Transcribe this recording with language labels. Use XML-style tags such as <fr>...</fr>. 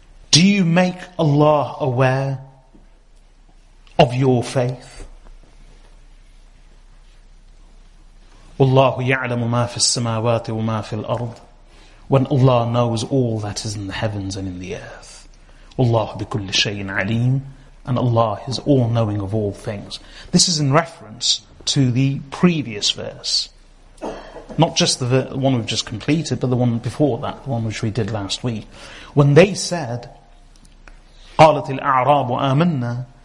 <en>Do you make Allah aware of your faith?</en> <ar>وَاللَّهُ يَعْلَمُ مَا فِي السَّمَاوَاتِ وَمَا فِي الْأَرْضِ.</ar> <en>When Allah knows all that is in the heavens and in the earth.</en> <ar>Allah بِكُلِّ شَيْءٍ عَلِيمٍ.</ar> <en>And Allah is all-knowing of all things. This is in reference to the previous verse. Not just the one we've just completed, but the one before that, the one which we did last week. When they said,</en> <ar>قَالَتِ الْأَعْرَابُ آمَنَّا.</ar>